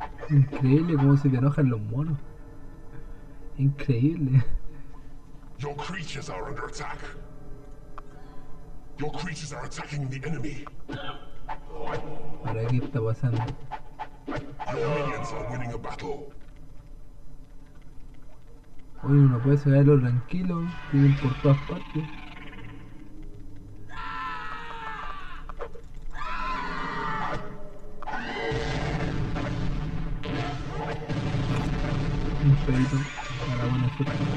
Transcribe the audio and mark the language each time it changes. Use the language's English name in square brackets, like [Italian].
[Spanish] Increíble cómo se te enojan los monos. Increíble. [English] Your creatures are under attack. Your creatures are attacking the enemy. [Spanish] Ahora, ¿qué está pasando? [English] Your minions are winning a battle. [Spanish] Oye, uno puede sacarlo tranquilo, tienen por todas partes. Un pedito para buena suerte.